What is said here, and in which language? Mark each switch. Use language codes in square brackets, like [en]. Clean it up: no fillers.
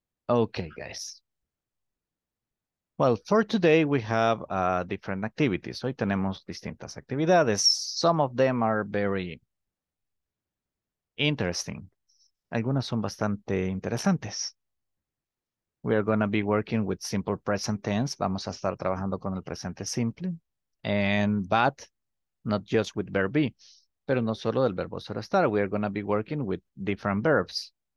[en] Okay, guys. Well, for today, we have different activities. [es] Hoy tenemos distintas actividades. [en] Some of them are very interesting. [es] Algunas son bastante interesantes. [en] We are going to be working with simple present tense. [es] Vamos a estar trabajando con el presente simple. [en] And but not just with verb be. [es] Pero no solo del verbo ser estar. [en] We are going to be working with different verbs.